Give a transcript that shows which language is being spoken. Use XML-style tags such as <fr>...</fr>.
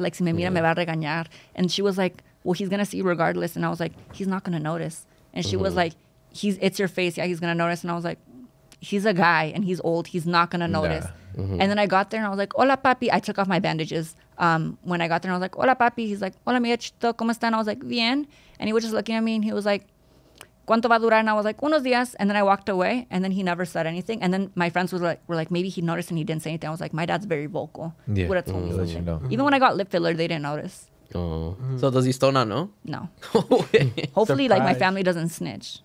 <es>Like, si me mira, me va a regañar.</es> <en>And she was like, well, he's going to see regardless. And I was like, he's not going to notice. And she was like, it's your face. Yeah, he's going to notice. And I was like, he's a guy and he's old. He's not going to notice. Nah. Mm-hmm. And then I got there and I was like,</en> <es>hola, papi.</es> <en>I took off my bandages when I got there. And I was like, hola, papi. He's like,</en> <es>hola, mi hijito, ¿cómo están?</es> <en>I was like, bien. And he was just looking at me and he was like,</en> <es>¿cuánto va a durar?</es> <en>And I was like,</en> <es>unos días.</es> <en>And then I walked away and then he never said anything. And then my friends were like, maybe he noticed and he didn't say anything. I was like, my dad's very vocal. Yeah. He would have told me something. You know. Even when I got lip filler, they didn't notice. So does he still not know? No. Hopefully, surprise. Like, my family doesn't snitch.</en>